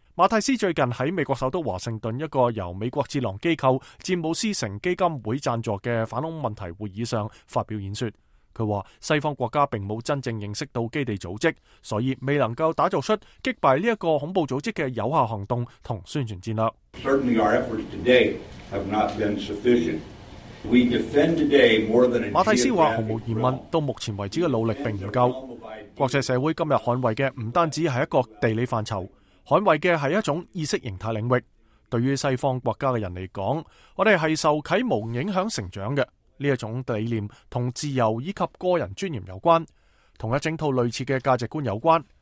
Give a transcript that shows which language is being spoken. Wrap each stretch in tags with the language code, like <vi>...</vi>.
<zh>马蒂斯最近在美国首都华盛顿一个由美国智囊机构詹姆斯城基金会赞助的反恐问题会议上发表演说。他说西方国家并没有真正认识到基地组织，所以未能够打造出击败这个恐怖组织的有效行动和宣传战略。</zh> <en>Certainly our efforts today have not been sufficient. We defend today more than a geographic realm.</en> <zh>马蒂斯说毫无疑问，到目前为止的努力并不够。国际社会今日捍卫的不单止是一个地理范畴，捍卫的是一种意识形态领域。对于西方国家的人来讲，我们是受启蒙影响成长的。这种理念和自由以及个人尊严有关，和一整套类似的价值观有关。</zh>